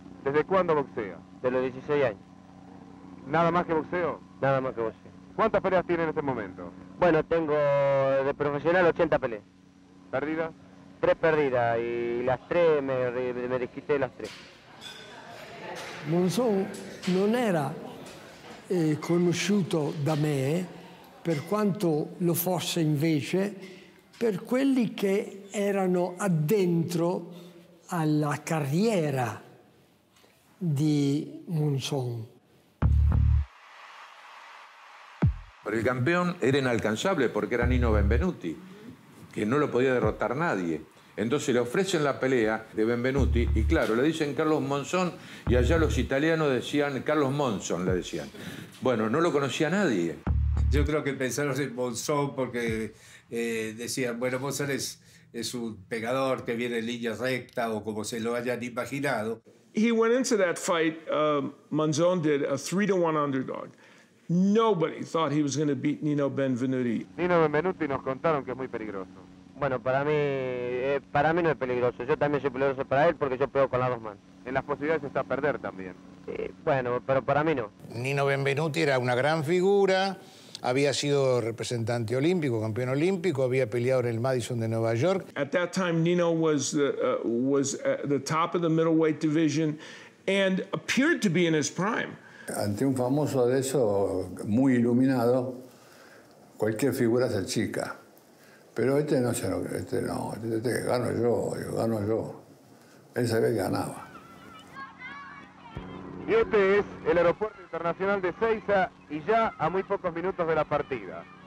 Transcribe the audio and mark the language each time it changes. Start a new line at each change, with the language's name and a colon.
Spanish: ¿Desde cuándo boxea? De los 16 años. ¿Nada más que boxeo? Nada más que boxeo. ¿Cuántas peleas tiene en este momento? Bueno, tengo de profesional 80 peleas. ¿Perdidas? Tres perdidas y las tres, me desquité las tres.
Italian: Monzón no era conosciuto da me, per quanto lo fosse invece, per quelli che erano addentro alla carriera di Monzón.
Spanish: Pero el campeón era inalcanzable porque era Nino Benvenuti, que no lo podía derrotar nadie. Entonces le ofrecen la pelea de Benvenuti y claro, le dicen Carlos Monzón y allá los italianos decían Carlos Monzón, le decían. Bueno, no lo conocía nadie. Yo creo que pensaron en Monzón porque decían, bueno, Monzón es un pegador que viene en línea recta o como se lo hayan imaginado.
English: He went into that fight, Monzón did a 3-1 underdog. Nobody thought he was going to beat Nino Benvenuti.
Spanish: Nino Benvenuti nos contaron que es muy peligroso. Bueno, para mí no es peligroso. Yo también soy peligroso para él porque yo pego con las dos manos. En las posibilidades está perder también. Bueno, pero para mí no. Nino Benvenuti era una gran figura. Había sido representante olímpico, campeón olímpico. Había peleado en el Madison de Nueva York.
English: At that time, Nino was at the top of the middleweight division and appeared to be in his prime.
Spanish: Ante un famoso de eso, muy iluminado, cualquier figura se achica. Pero gano yo. Él sabía que ganaba. Y este es el aeropuerto internacional de Ezeiza y ya a muy pocos minutos de la partida.